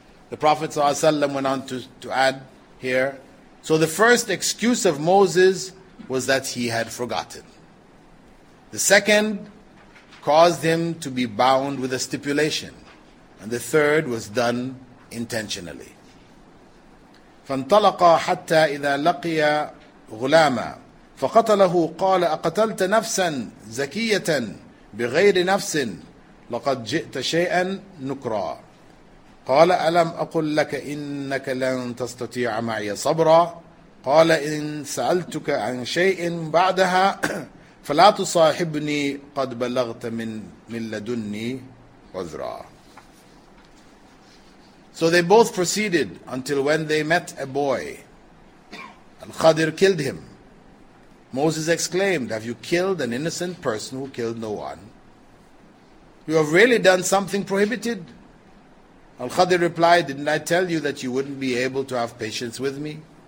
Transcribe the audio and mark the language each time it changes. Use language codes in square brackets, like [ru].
[en] The Prophet ﷺ went on to add here, so the first excuse of Moses was that he had forgotten. The second caused him to be bound with a stipulation. And the third was done intentionally. [ar] فانطلق حتى إذا لقي غلاما فقتله قال أقتلت نفسا زكية بغير نفس لقد جئت شيئا نكرا قال ألم أقل لك إنك لن تستطيع معي صبرا قال إن سألتك عن شيء بعدها فلا تصاحبني قد بلغت من لدني عذرا. [en] So they both proceeded until when they met a boy. Al-Khadir killed him. Moses exclaimed, "Have you killed an innocent person who killed no one? You have really done something prohibited?" Al-Khadir replied, "Didn't I tell you that you wouldn't be able to have patience with me?"